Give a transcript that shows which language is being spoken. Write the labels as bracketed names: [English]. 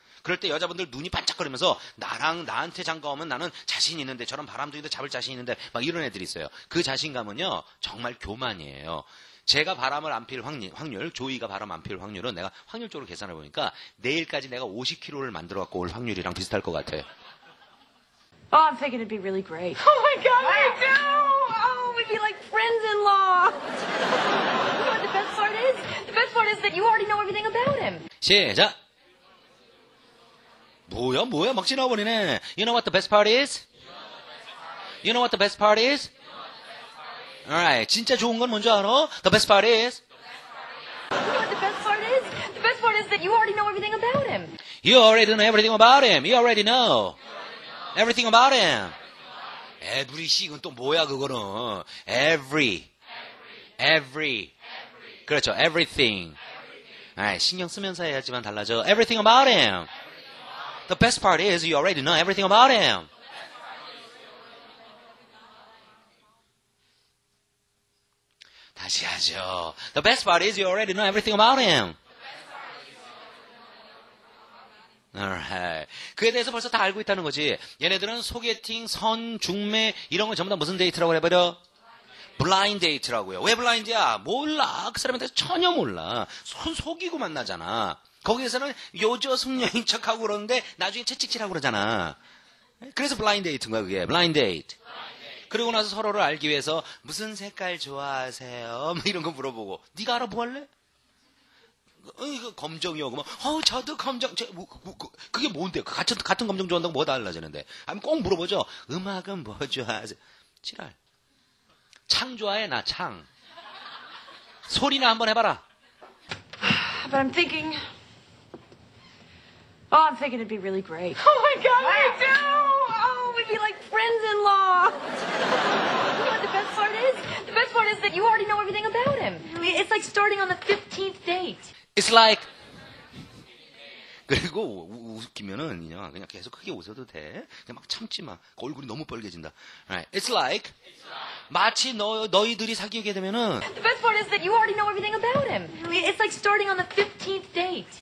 [Korean] 그럴 때 여자분들 눈이 반짝거리면서 나랑 나한테 장가오면 나는 자신 있는데 저런 바람둥이도 잡을 자신 있는데 막 이런 애들이 있어요. 그 자신감은요. 정말 교만이에요. 제가 바람을 안 필 확률, 조이가 바람 안 필 확률은 내가 확률적으로 계산해 보니까 내일까지 내가 50kg를 만들어 갖고 올 확률이랑 비슷할 것 같아. [English] Oh, I'm thinking it'd be really great. Oh my God, me too. Oh, brother-in-law. You know what the best part is? The best part is that you already know everything about him. [Korean] 시작. 뭐야 막 지나버리네. [English] You know what the best part is? You know what the best part is? Alright, [Korean] 진짜 좋은 건 뭔지 알아? [English] The best part is? You know what the best part is? The best part is that you already know everything about him. You already know everything about him. You already know. Everything about him. [Korean] Every, 이건 또 뭐야 그거는. Every. Every. 그렇죠, everything. 신경 쓰면서 해야지만 달라져. [English] Everything about him. The best part is you already know everything about him. [Korean] 다시 하죠. [English] The best part is you already know everything about him. Alright. [Korean] 그에 대해서 벌써 다 알고 있다는 거지. 얘네들은 소개팅, 선, 중매 이런 거 전부 다 무슨 데이트라고 해버려? 블라인드 데이트라고요. 왜 블라인드야? 몰라. 그 사람한테 전혀 몰라. 손 속이고 만나잖아. 거기에서는 요조숙녀인 척하고 그러는데 나중에 채찍질하고 그러잖아. 그래서 블라인드 데이트인 거야 그게. 블라인드 데이트. 그리고 나서 서로를 알기 위해서 무슨 색깔 좋아하세요? 뭐 이런 거 물어보고 네가 알아 뭐 할래? 이거 검정이요. 그러면 저도 검정. 그게 뭔데? 같은 검정 좋아한다고 뭐가 달라지는데? 꼭 물어보죠. 음악은 뭐 좋아하세요? 지랄. 창 좋아해 나 창. 소리나 한번 해봐라. [English] But I'm thinking. Oh, I'm thinking it'd be really great. Oh my God, wow. Me too. Oh, we'd be like friends-in-law. You know what the best part is? The best part is that you already know everything about him. I mean, it's like starting on the 15th date. It's like. [Korean] 그리고 웃기면은 그냥 계속 크게 웃어도 돼. 그냥 막 참지 마. 얼굴이 너무 빨개진다. [English] Right. It's like. [Korean] 마치 너희들이 사귀게 되면은. [English] The best part is that you already know everything about him. I mean, it's like starting on the 15th date.